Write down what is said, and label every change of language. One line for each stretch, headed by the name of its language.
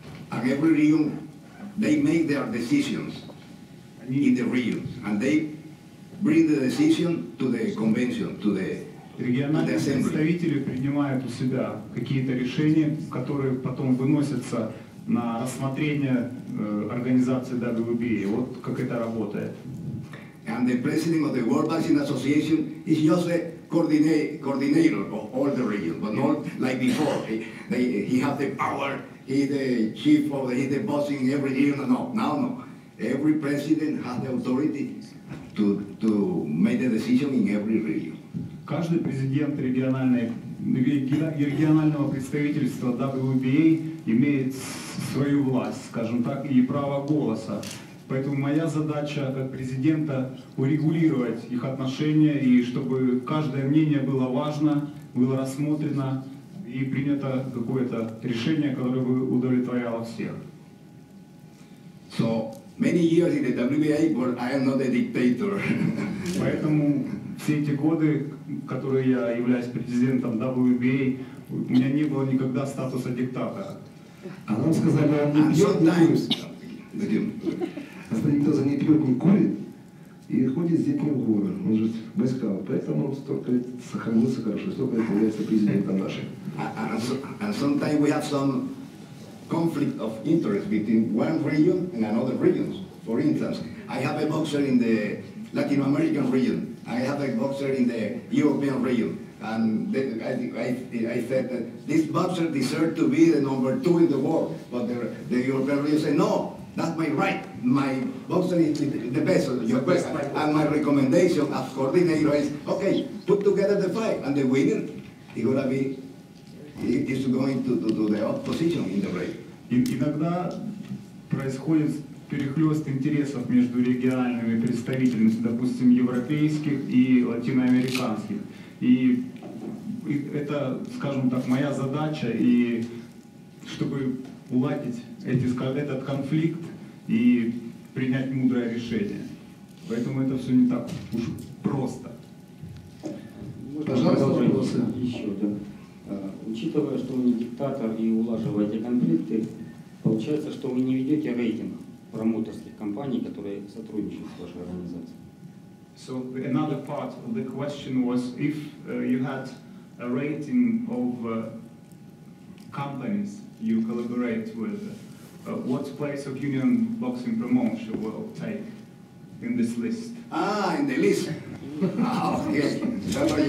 English: And every region, they make their decisions in the region, and they bring the decision to the convention, to the assembly.
Russian: Региональные представители принимают у себя какие-то решения, которые потом выносятся на рассмотрение организации WBA. Вот как это работает.
English: and the president of the World Boxing Association is just the coordinator of all the regions, but not like before. He has the power, he's the chief of the, he's the boss in every region. No. Every president has the authority to make the decision in every region.
Russian: Каждый президент регионального представительства WBA имеет свою власть, скажем так, и право голоса. Поэтому моя задача как президента урегулировать их отношения и чтобы каждое мнение было важно, было рассмотрено и принято какое-то решение, которое бы удовлетворяло всех.
English: So many years in the WBA, but I am not a dictator.
Russian: Поэтому все эти годы, которые я являюсь президентом WBA, у меня не было никогда статуса диктатора. А нам сказали, он не пьет, не курит. Господин Тоза не пьет, не курит и ходит с детьми в горы. Он же войскал. Поэтому он столько лет сохранился хорошо, столько лет является президентом нашим.
English: And sometimes we have some conflict of interest between one region and another region. For instance, I have a boxer in the Latin American region. I have a boxer in the European region, and I said that this boxer deserves to be the number two in the world, but the European region said, no, that's my right. My boxer is the best, your best. And my recommendation as coordinator is, okay, put together the fight, and the winner is going to be, is going to the opposition in the ring.
Russian: Иногда происходит перехлёст интересов между региональными представителями, допустим, европейских и латиноамериканских. И это, скажем так, моя задача, и чтобы уладить этот конфликт и принять мудрое решение. Поэтому это все не так уж просто. Пожалуйста, пожалуйста. Еще, да. Учитывая, что вы не диктатор и улаживаете конфликты, получается, что вы не ведете рейтинг промоутерских компаний, которые сотрудничают с вашей организацией.
English: So another part of the question was if you had a rating of companies you collaborate with, what place of Union Boxing Promotion will take in this list? Ah, in the list. Okay.